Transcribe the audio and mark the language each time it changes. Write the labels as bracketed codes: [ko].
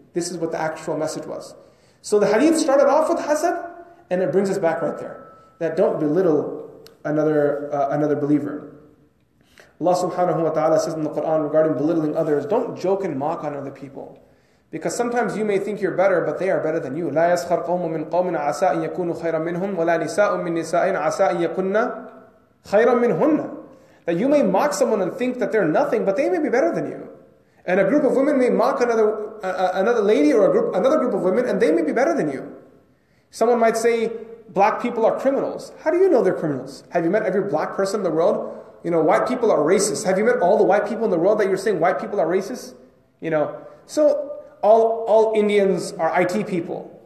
[en] This is what the actual message was. So the hadith started off with hasad, and it brings us back right there. That don't belittle another believer. Allah subhanahu wa ta'ala says in the Quran regarding belittling others, don't joke and mock on other people. Because sometimes you may think you're better, but they are better than you. [ar] لَا يَسْخَرْ قَوْمٌ مِّن قَوْمٍ عَسَىٰ أَن يَكُونُوا خَيْرًا مِّنْهُمْ وَلَا نِسَاءٌ مِّن نِسَاءٍ عَسَىٰ أَن يَكُنَّ خَيْرًا مِّنْهُنَّ, [en] that you may mock someone and think that they're nothing, but they may be better than you. And a group of women may mock another lady or another group of women, and they may be better than you. Someone might say, black people are criminals. How do you know they're criminals? Have you met every black person in the world? You know, white people are racist. Have you met all the white people in the world that you're saying white people are racist? You know, so all Indians are IT people.